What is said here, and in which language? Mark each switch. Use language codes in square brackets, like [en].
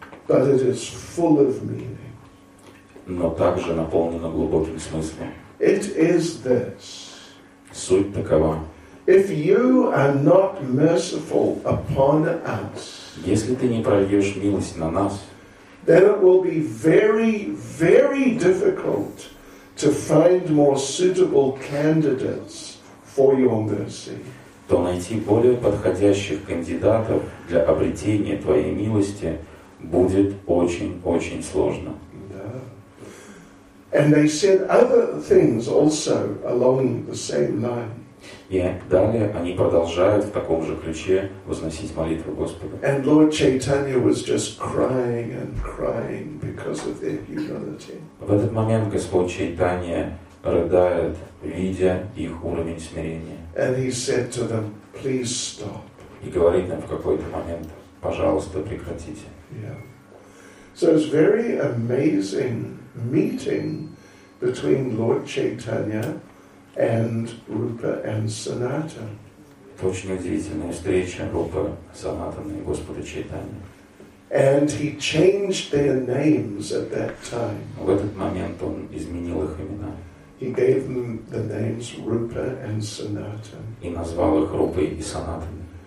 [en] But it is full of meaning. [ru] Но также наполнено глубоким смыслом. [en] It is this. [ru] Суть такова. [en] If you are not merciful upon us, [ru] если ты не прольешь милость на нас, [en] then it will be very, very difficult to find more suitable candidates for your mercy. [ru] То найти более подходящих кандидатов для обретения твоей милости будет очень-очень сложно. [en] And they said other things also along the same line. [ru] И далее они продолжают в таком же ключе возносить молитву Господу. [en] And Lord Chaitanya was just crying and crying because of their humility. [ru] В этот момент Господь Чайтанья рыдает, видя их уровень смирения. [en] And he said to them, please stop. [ru] И говорит им в какой-то момент, пожалуйста, прекратите. [en] Yeah. So it's very amazing meeting between Lord Chaitanya and Rupa and Sanatana. [ru] Очень удивительная встреча Рупы Санатаны и Господа Чайтаньи. [en] And he changed their names at that time. [ru] В этот момент он изменил их имена. [en] He gave them the names Rupa and Sanatana. [ru] И назвал их Рупой и Санатаной.